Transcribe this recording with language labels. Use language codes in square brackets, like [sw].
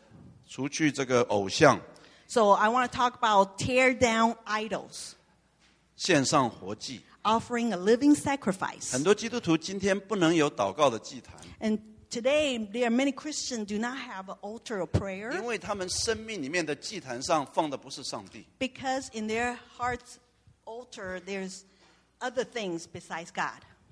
[zh] 我今天要讲的是要除去这个偶像。 [en] So I want to talk about tear down idols. [zh] 献上活祭。 [en] Offering a living sacrifice. [zh] 很多基督徒今天不能有祷告的祭坛。 [en] And today, there are many Christians do not have an altar of prayer. [zh] 因为他们生命里面的祭坛上放的不是上帝。 [en] Because in their heart's altar, there's other things besides God.